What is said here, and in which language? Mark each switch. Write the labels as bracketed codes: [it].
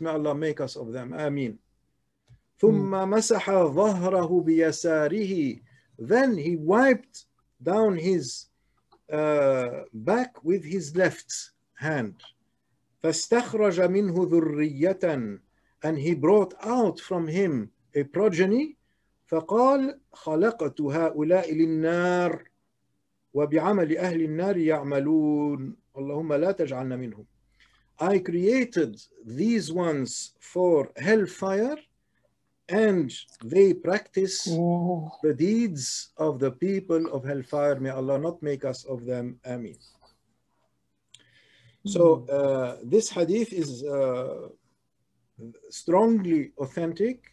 [en] May Allah make us of them. Ameen. [ar] ثُمَّ مَسَحَ ظَهْرَهُ بِيَسَارِهِ. [en] Then he wiped down his back with his left hand. [ar] فَاسْتَخْرَجَ مِنْهُ ذُرِّيَّةً. [en] And he brought out from him a progeny. [ar] فقال خلقت هؤلاء للنار وبعمل أهل النار يعملون اللهم لا تجعلنا منهم. [en] I created these ones for hellfire, and they practice the deeds of the people of hellfire. May Allah not make us of them. Ameen. So this hadith is strongly authentic.